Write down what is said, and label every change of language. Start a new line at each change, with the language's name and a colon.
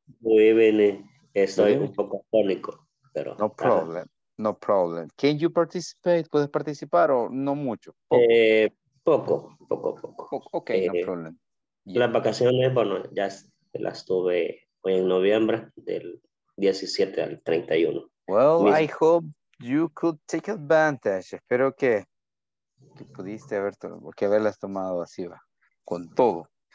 Spanish: Muy bien. Estoy un poco afónico, pero...
English: No problem. Ajá. No problem. Can you participate?
Spanish: ¿Puedes participar o no mucho? Poco.
English: Okay, no problem. Yeah.
Spanish: Las vacaciones, bueno, ya las tuve hoy en noviembre, del 17 al 31.
English: Well,
Spanish: mismo.
English: I hope you could take advantage.
Spanish: Espero que pudiste haber tomado, que haberlas tomado así, va, con todo.